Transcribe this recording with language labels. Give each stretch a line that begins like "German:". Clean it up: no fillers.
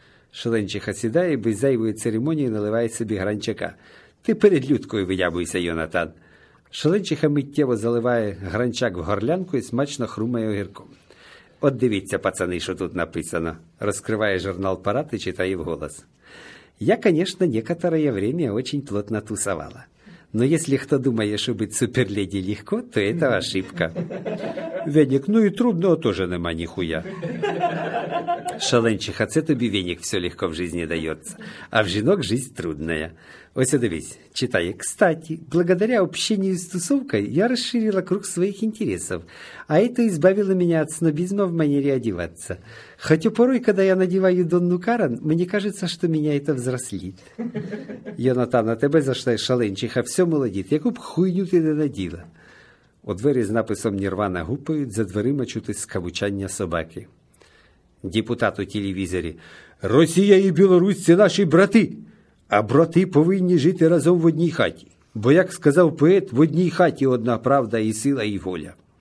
Ukrainian: Шаленчиха сідає, без зайвої церемонії наливає собі гранчака. «Ти перед Людкою виявуйся, Йонатан». Шаленчиха миттєво заливає гранчак в горлянку і смачно хрумає огірком. От дивіться, пацани, що тут написано. Розкриває журнал парад і читає вголос.
Russian: Я, звісно, некоторое время очень плотно тусовала. Но если кто думает, что быть суперледи легко, то это ошибка. Веник, ну и трудного тоже нема нихуя.
Ukrainian: Шаленчиха, це тобі, Веник, все легко
Russian: в жизни дается.
Ukrainian: А в жінок
Russian: жизнь трудная.
Ukrainian: Ось, дивись, читай.
Russian: Кстати, благодаря общению с тусовкой я расширила круг своих интересов. А это избавило меня от снобизма в манере одеваться. Хотя порой, когда я надеваю Донну Карен, мне кажется, что меня это взрослит. Йонатан, а тебе за что, Шаленчиха, все молодит.
Ukrainian: Яку б хуйню ти не наділа. У двері з написом «Нірвана» гупають, за дверима чути скавучання собаки. Депутат у телевізорі. Росія і Білорусь – це наші брати. А брати повинні жити разом в одній хаті. Бо, як сказав поет, в одній хаті одна правда і сила, і воля.